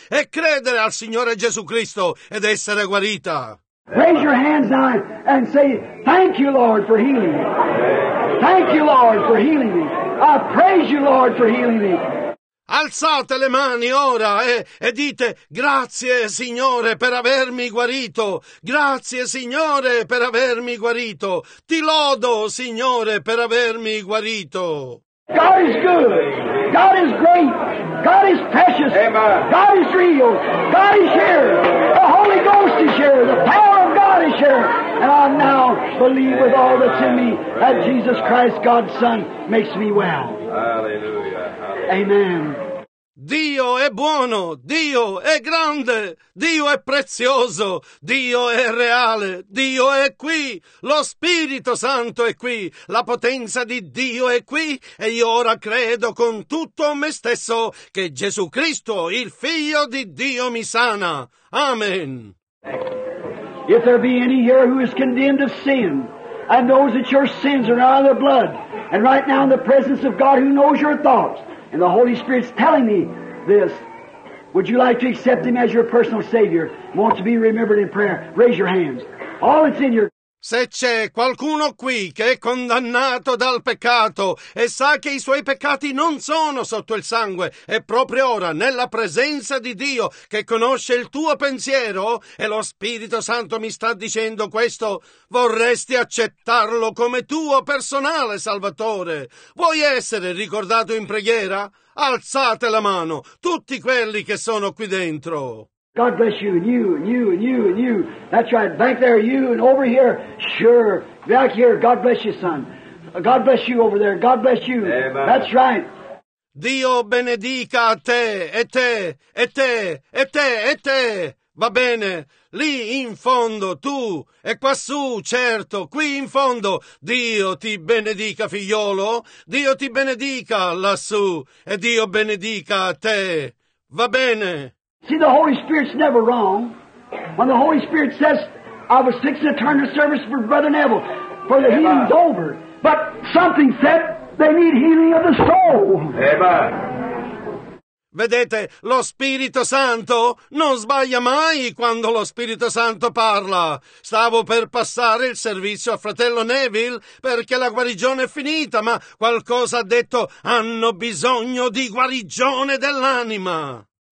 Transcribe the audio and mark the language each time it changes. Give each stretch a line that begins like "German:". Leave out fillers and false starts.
Italian: È credere al Signore Gesù Cristo ed essere guarita.
English: Raise your hands high and say, thank you, Lord, for healing me. Thank you, Lord, for healing me. I praise you, Lord, for healing me.
Italian: Alzate le mani ora e dite grazie Signore per avermi guarito, grazie Signore per avermi guarito, ti lodo Signore per avermi guarito.
English: God is good, God is great, God is precious, amen. God is real, God is here, the Holy Ghost is here, the power of God is here, and I now believe with all that's in me that Jesus Christ, God's Son, makes me well. Hallelujah. Amen.
Italian: Dio è buono, Dio è grande, Dio è prezioso, Dio è reale, Dio è qui, lo Spirito Santo è qui, la potenza di Dio è qui e io ora credo con tutto me stesso che Gesù Cristo, il Figlio di Dio, mi sana. Amen.
English: If there be any here who is condemned of sin, and knows that your sins are out of the blood, and right now in the presence of God who knows your thoughts, and the Holy Spirit's telling me this, would you like to accept Him as your personal Savior? Want to be remembered in prayer? Raise your hands. All that's in your...
Italian: Se c'è qualcuno qui che è condannato dal peccato e sa che i suoi peccati non sono sotto il sangue, è proprio ora nella presenza di Dio che conosce il tuo pensiero e lo Spirito Santo mi sta dicendo questo, vorresti accettarlo come tuo personale Salvatore? Vuoi essere ricordato in preghiera? Alzate la mano, tutti quelli che sono qui dentro.
English: God bless you, and you, and you, and you, and you. That's right, back there, you, and over here, sure. Back here, God bless you, son. God bless you over there, God bless you. Amen. That's right.
Italian: Dio benedica a te, e te, e te, e te, e te. Va bene, lì in fondo, tu, e quassù, certo, qui in fondo. Dio ti benedica, figliolo. Dio ti benedica lassù, e Dio benedica a te. Va bene.
English: See, the Holy Spirit's never wrong. When the Holy Spirit says, I was fixing to turn the service for Brother Neville, for the healing's over. But something said they need healing of the soul. Amen.
Italian: Vedete, lo Spirito Santo non sbaglia mai quando lo Spirito Santo parla. Stavo per passare il servizio a fratello Neville perché la guarigione è finita, ma qualcosa ha detto, hanno bisogno di guarigione dell'anima.